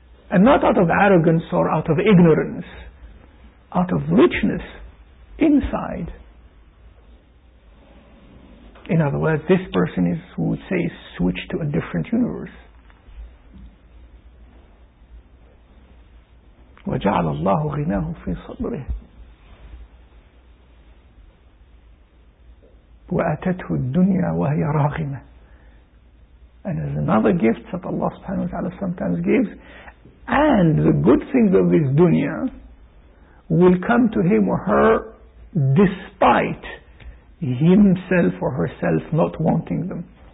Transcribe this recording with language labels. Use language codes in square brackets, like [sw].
[en] And not out of arrogance or out of ignorance. Out of richness inside. In other words, this person is, we would say, switched to a different universe. [ar] وجعل الله غناه في صدره وأتته الدنيا وهي راغمة. [en] And there's another gift that Allah subhanahu wa ta'ala sometimes gives, and the good things of this dunya will come to him or her despite himself or herself not wanting them.